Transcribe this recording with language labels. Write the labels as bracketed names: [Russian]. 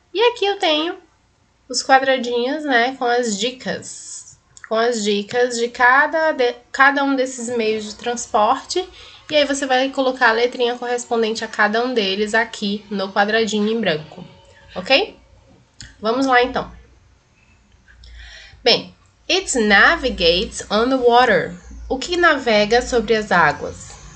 [Portuguese] E aqui eu tenho os quadradinhos, né, com as dicas. Com as dicas de cada um desses meios de transporte. E aí você vai colocar a letrinha correspondente a cada um deles aqui no quadradinho em branco, ok? Vamos lá, então. [English] Bem, it navigates on the water. [Portuguese] O que navega sobre as águas?